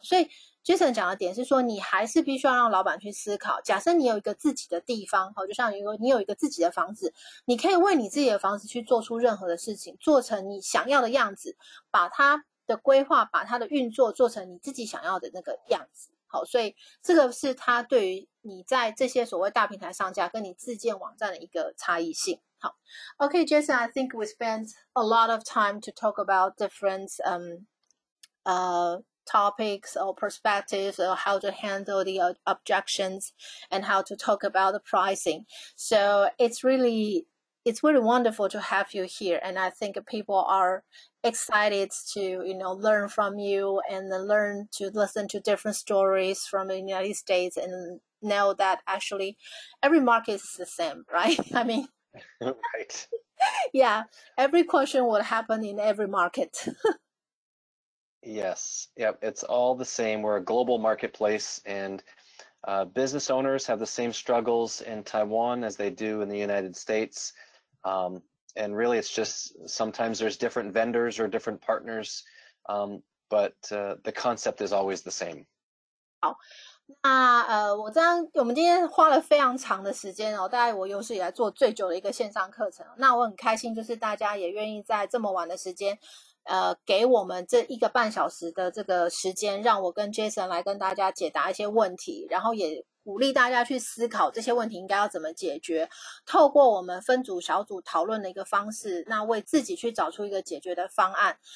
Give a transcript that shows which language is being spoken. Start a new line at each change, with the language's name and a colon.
Chinese: 所以Jason 讲的点是说，你还是必须要让老板去思考，假设你有一个自己的地方，就像你有一个自己的房子，你可以为你自己的房子去做出任何的事情，做成你想要的样子，把它的规划把它的运作做成你自己想要的那个样子。好，所以这个是他对于你在这些所谓大平台上架跟你自建网站的一个差异性。好，
English: OK Jason, I think we spent a lot of time to talk about different topics or perspectives or how to handle the objections and how to talk about the pricing. So it's really wonderful to have you here. And I think people are excited to, you know, learn from you and learn to listen to different stories from the United States and know that actually every market is the same, right? I mean, right. Yeah, every question would happen in every market. Yes. Yep. It's all the same. We're a global marketplace and business owners have the same struggles in Taiwan as they do in the United States. And really, it's just sometimes there's different vendors or different partners. But the concept is always the same. Wow.
Chinese: 那我这样，我们今天花了非常长的时间哦，大概我有史以来做最久的一个线上课程。那我很开心，就是大家也愿意在这么晚的时间，给我们这一个半小时的这个时间，让我跟 Jason 来跟大家解答一些问题，然后也鼓励大家去思考这些问题应该要怎么解决，透过我们分组小组讨论的一个方式，那为自己去找出一个解决的方案。